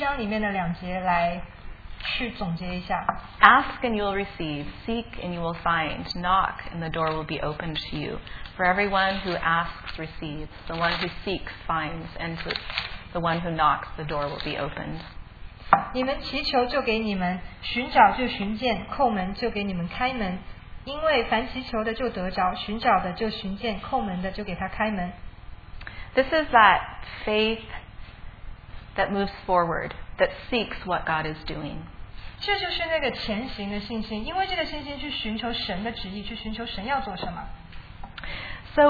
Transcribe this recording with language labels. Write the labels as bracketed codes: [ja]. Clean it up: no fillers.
[zh] 我的经验就告诉我，我可以用马太福音的第七章里面的两节来去总结一下。 [en] Ask and you will receive, seek and you will find, knock and the door will be opened to you. For everyone who asks receives, the one who seeks finds, and to the one who knocks the door will be opened. [zh] 你们祈求就给你们，寻找就寻见，叩门就给你们开门，因为凡祈求的就得着，寻找的就寻见，叩门的就给他开门。 [en] This is that faith that moves forward, that seeks what God is doing. [zh] 这就是那个前行的信心，因为这个信心去寻求神的旨意，去寻求神要做什么。 [en] So